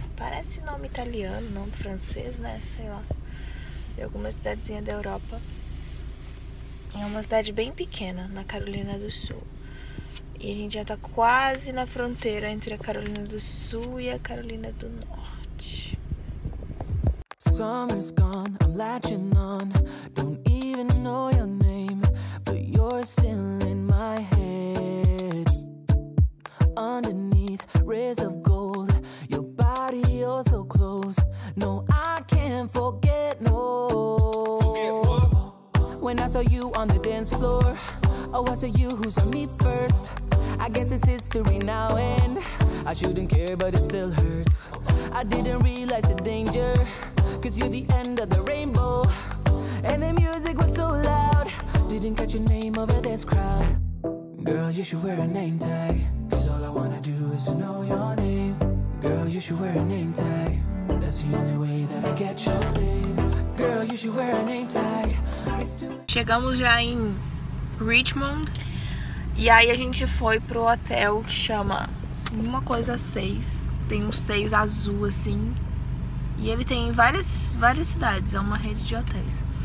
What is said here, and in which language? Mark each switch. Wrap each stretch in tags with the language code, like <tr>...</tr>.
<pt>Parece nome italiano, nome francês, né? Sei lá. De alguma cidadezinha da Europa. É uma cidade bem pequena, na Carolina do Sul. E a gente já tá quase na fronteira entre a Carolina do Sul e a Carolina do Norte.</pt> <en>Summer's gone, I'm latching on. Don't even know your name, but you're still in my head. Underneath rays of gold, your body, you're so close. No, I can't forget, no. When I saw you on the dance floor, oh, I saw you who saw me first. I guess it's history now and I shouldn't care, but it still hurts. I didn't realize the danger. Cause you're the end of the rainbow. And the music was so loud. Didn't catch your name over this crowd. Girl, you should wear a name tag. Cause all I wanna do is to know your name. Girl, you should wear a name tag. That's the only way that I get your name. Girl, you should wear a name tag.</en> <pt>Chegamos já em Richmond. E aí a gente foi pro hotel que chama uma coisa 6. Tem uns 6 azul, assim. E ele tem várias, várias cidades. É uma rede de hotéis.</pt>